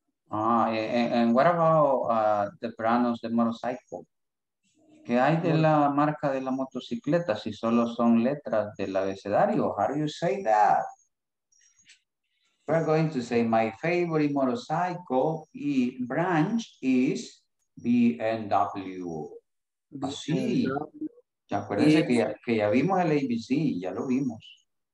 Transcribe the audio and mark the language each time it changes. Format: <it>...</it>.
<en>And what about the brand of the motorcycle?</en> <es>¿Qué hay de la marca de la motocicleta si solo son letras del abecedario?</es> <en>How do you say that? We're going to say my favorite motorcycle brand is BMW.</en> <es>Así. Ya acuérdense que ya vimos el ABC, ya lo vimos.</es>